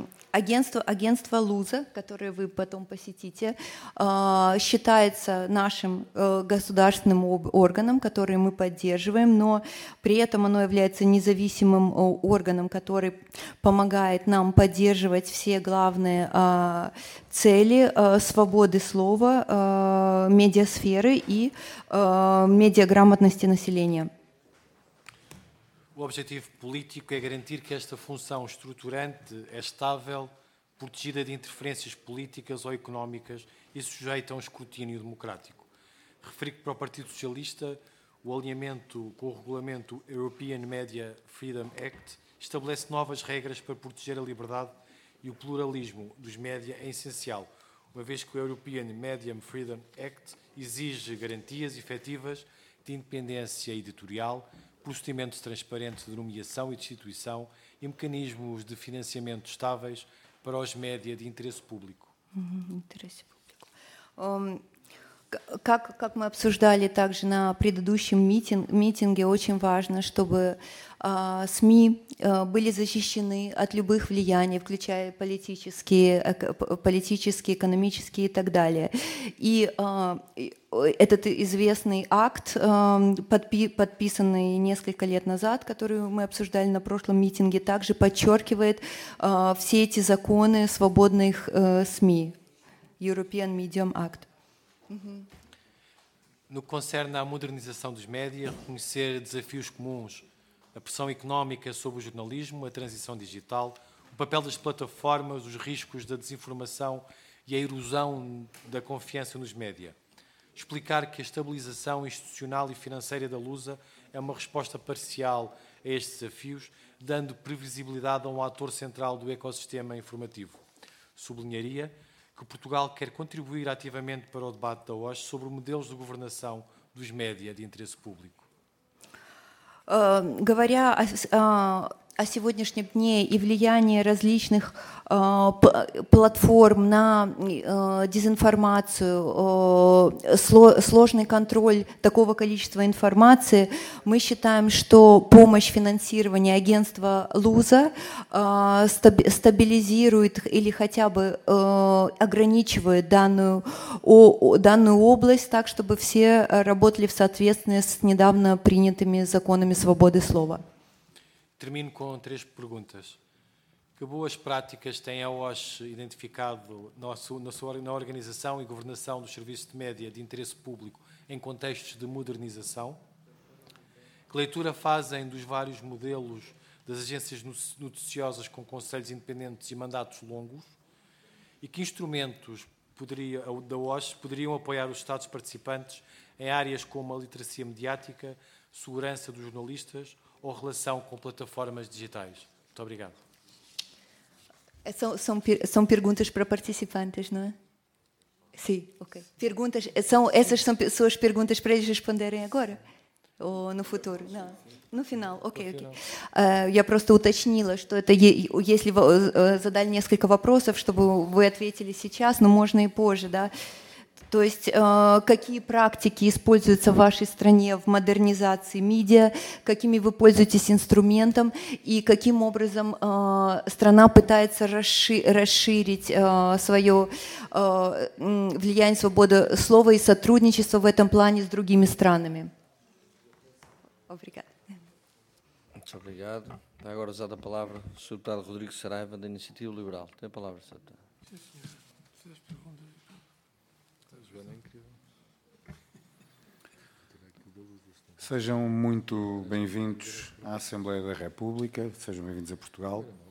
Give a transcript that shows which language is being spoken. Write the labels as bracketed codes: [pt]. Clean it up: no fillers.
[ru] Агентство Луза, которое вы потом посетите, считается нашим государственным органом, который мы поддерживаем, но при этом оно является независимым органом, который помогает нам поддерживать все главные цели свободы слова, медиасферы и медиаграмотности населения. [pt] O objetivo político é garantir que esta função estruturante é estável, protegida de interferências políticas ou económicas e sujeita a um escrutínio democrático. Referir que para o Partido Socialista, o alinhamento com o regulamento European Media Freedom Act estabelece novas regras para proteger a liberdade e o pluralismo dos média é essencial, uma vez que o European Media Freedom Act exige garantias efetivas de independência editorial, procedimentos transparentes de nomeação e destituição e mecanismos de financiamento estáveis para os média de interesse público. Interesse público. [ru] Как мы обсуждали также на предыдущем митинге, очень важно, чтобы СМИ были защищены от любых влияний, включая политические, экономические и так далее. И этот известный акт, подписанный несколько лет назад, который мы обсуждали на прошлом митинге, также подчеркивает все эти законы свободных СМИ, European Medium Act. [pt] No que concerne à modernização dos média, reconhecer desafios comuns, a pressão económica sobre o jornalismo, a transição digital, o papel das plataformas, os riscos da desinformação e a erosão da confiança nos média. Explicar que a estabilização institucional e financeira da Lusa é uma resposta parcial a estes desafios, dando previsibilidade a um ator central do ecossistema informativo. Sublinharia que Portugal quer contribuir ativamente para o debate da OAS sobre modelos de governação dos média de interesse público. [ru] Говоря о сегодняшнем дне и влиянии различных платформ на дезинформацию, сложный контроль такого количества информации, мы считаем, что помощь финансирования агентства Луза стабилизирует или хотя бы ограничивает данную область так, чтобы все работали в соответствии с недавно принятыми законами свободы слова. [pt] Termino com três perguntas. Que boas práticas tem a OAS identificado na organização e governação dos serviços de média de interesse público em contextos de modernização? Que leitura fazem dos vários modelos das agências noticiosas com conselhos independentes e mandatos longos? E que instrumentos da OAS poderiam apoiar os Estados participantes em áreas como a literacia mediática, segurança dos jornalistas ou relação com plataformas digitais? Muito obrigado. São perguntas para participantes, não é? Sim, ok. Perguntas, essas são suas perguntas para eles responderem agora? Ou no futuro? Não. No final, ok. [ru] Я просто уточнила, что это если вы задали несколько вопросов, чтобы вы ответили сейчас, но можно и позже, да? То есть какие практики используются в вашей стране в модернизации медиа, какими вы пользуетесь инструментом и каким образом страна пытается расширить свое влияние, свободу слова и сотрудничество в этом плане с другими странами? [pt] Muito obrigado. Está agora usada a palavra o Sr. Deputado Rodrigo Saraiva, da Iniciativa Liberal. Tem a palavra, Sr. Deputado. Sejam muito bem-vindos à Assembleia da República, sejam bem-vindos a Portugal.